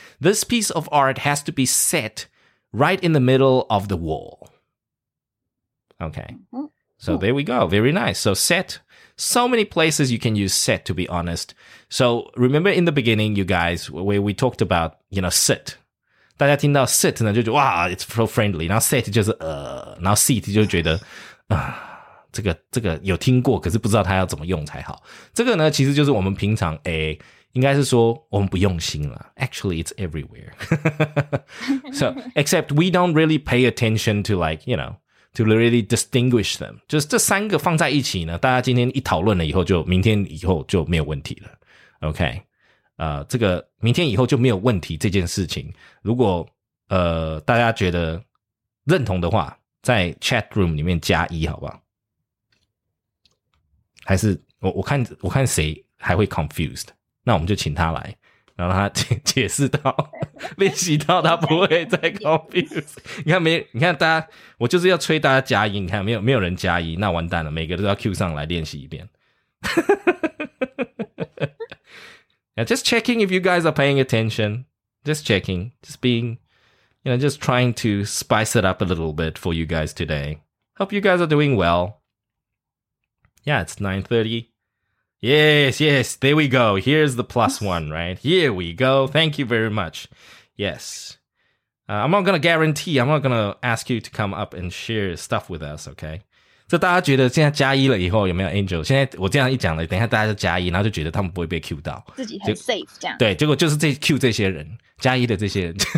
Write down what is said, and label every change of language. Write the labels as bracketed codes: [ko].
[en] This piece of art has to be set right in the middle of the wall. Okay. Mm-hmm. So there we go. Very nice. So set. So many places you can use set, to be honest. So remember in the beginning, you guys, where we talked about, you know, sit. [zh] 大家听到 sit 呢就觉得哇 [en] it's so friendly. [zh] 然后 set 就是然后 seat 就觉得这个有听过可是不知道它要怎么用才好。这个呢其实就是我们平常应该是说我们不用心啦。 [en] Actually, it's everywhere. So, except we don't really pay attention to like, you know,to really distinguish them. [zh] 就是这三个放在一起呢大家今天一讨论了以后就明天以后就没有问题了。 [en] OK? [zh] 这个明天以后就没有问题这件事情。如果大家觉得认同的话在 chat room 里面加一好不好还是我看谁还会 confused。那我们就请他来。然后他解释到练习到他不会再 confuse 你看大家我就是要催大家加音你看没有人加音那完蛋了每个都要 cue 上来练习一遍 [en] Now, just checking if you guys are paying attention just checking just being you know just trying to spice it up a little bit for you guys today hope you guys are doing well yeah it's 9:30Yes, yes, there we go. Here's the plus one, right? Here we go. Thank you very much. Yes. I'm not going to ask you to come up and share stuff with us, okay? [zh] 这大家觉得现在加一了以后有没有 Angel? 现在我这样一讲了等一下大家就加一然后就觉得他们不会被 Q 到。自己很 safe, 这样。对结果就是这 Q 这些人加一的这些人。